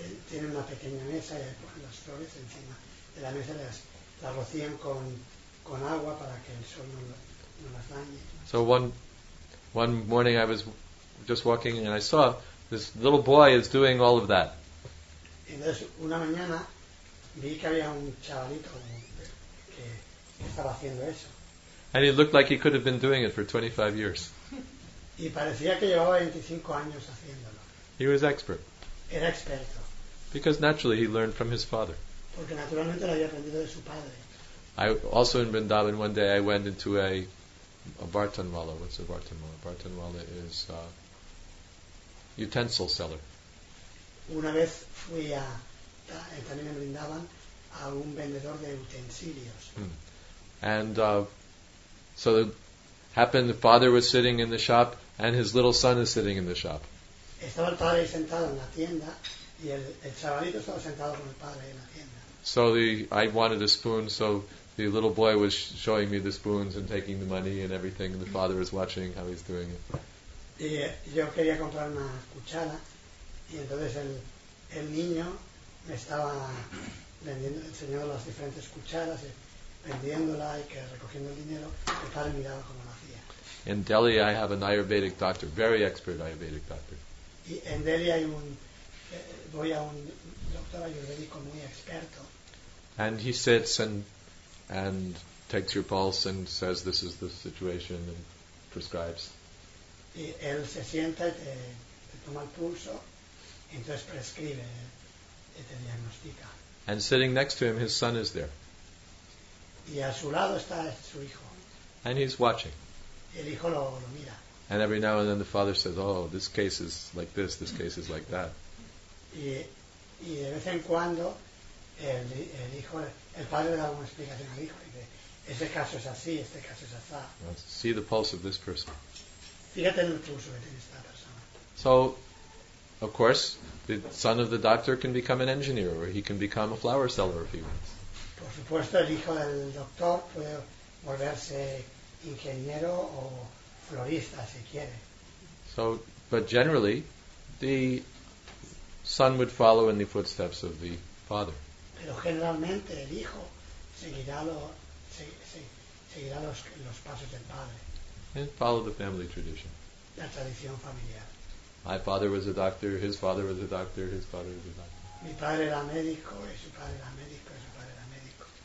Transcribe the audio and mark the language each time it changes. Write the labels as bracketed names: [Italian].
[Spanish] Tienen una pequeña mesa y las flores encima de la mesa las rocían con agua para que el sol no las dañe. [English] So one morning I was just walking and I saw this little boy is doing all of that. [Spanish] Entonces una mañana vi que había un chavalito que estaba haciendo eso. [English] And he looked like he could have been doing it for 25 years. [Spanish] Y parecía que llevaba 25 años haciéndolo. [English] He was expert. [Spanish] Era experto. [English] Because naturally he learned from his father. [Spanish] Porque naturalmente lo había aprendido de su padre. [English] I also in Vrindavan one day I went into a a bartanwala. What's a bartanwala? Bartanwala is a utensil seller. [Spanish] Una vez fui a también me brindaban a un vendedor de utensilios. [English] And so it happened the father was sitting in the shop and his little son is sitting in the shop. [Spanish] Estaba el padre sentado en la tienda y el chavalito estaba sentado con el padre en la tienda. [English] So I wanted a spoon, so the little boy was showing me the spoons and taking the money and everything, and the father was watching how he's doing it. [Spanish] Y yo quería comprar una cuchara, y entonces el niño me estaba vendiendo, enseñando las diferentes cucharas, vendiéndola y que recogiendo el dinero, el padre miraba cómo lo hacía. [English] In Delhi, I have an Ayurvedic doctor, very expert Ayurvedic doctor. [Spanish] Y en Delhi hay un voy a un doctor ayurvédico muy experto. [English] And he sits and takes your pulse and says this is the situation and prescribes. [Spanish] Y él se sienta y te toma el pulso y entonces prescribe y te diagnostica. [English] And sitting next to him, his son is there. [Spanish] Y a su lado está su hijo. [English] And he's watching. [Spanish] Y el hijo lo mira. [English] And every now and then the father says, oh, this case is like this, this case is like that. [Spanish] Y de vez en cuando el hijo, el padre le da una explicación al hijo, dice, ese caso es así, este caso es así. [English] See the pulse of this person. [Spanish] Fíjate en el pulso que tiene esta persona. [English] So, of course, the son of the doctor can become an engineer, or he can become a flower seller if he wants. [Spanish] Por supuesto, el hijo del doctor puede volverse ingeniero o florista si quiere. [English] So, but generally, the son would follow in the footsteps of the father. [Spanish] Pero generalmente el hijo seguirá los pasos del padre. [English] And follow the family tradition. [Spanish] La tradición familiar. [English] My father was a doctor, his father was a doctor, his father was a doctor. [Spanish] Mi padre era médico, y su padre era médico, y su padre era médico.